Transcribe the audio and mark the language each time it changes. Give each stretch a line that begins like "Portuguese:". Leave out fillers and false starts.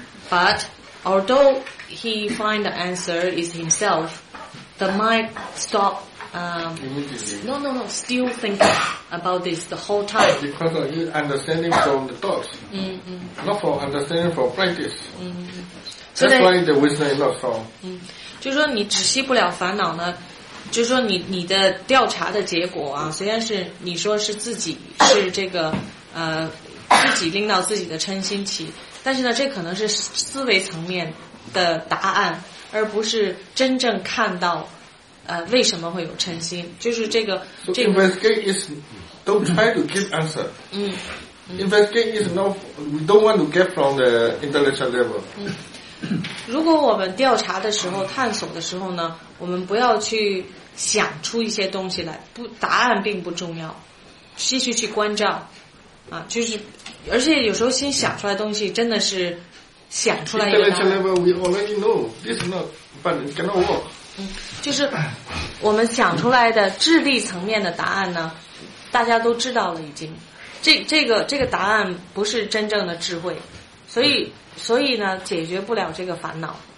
English: But although he find the answer is himself, the mind stop. No. Still thinking about this the whole time. Because of his understanding from the thoughts, not for understanding for practice. That's why the wisdom is not strong.
Chinese: 就说你止息不了烦恼呢。就是说你的调查的结果啊，虽然是你说是自己是这个自己令到自己的嗔心起，但是呢这可能是思维层面的答案，而不是真正看到为什么会有嗔心，就是这个
English: investigate is don't try to give answer. Investigate is no, we don't want to get from the intellectual level.
Chinese: 如果我们调查的时候探索的时候呢，我们不要去想出一些东西来，不，答案并不重要，继续去关照啊，就是而且有时候心想出来的东西真的是想出来一个
English: intellectual level, we already know this is not, but it cannot work.
Chinese: 就是我们想出来的智力层面的答案呢，大家都知道了已经，这个答案不是真正的智慧，所以呢解决不了这个烦恼。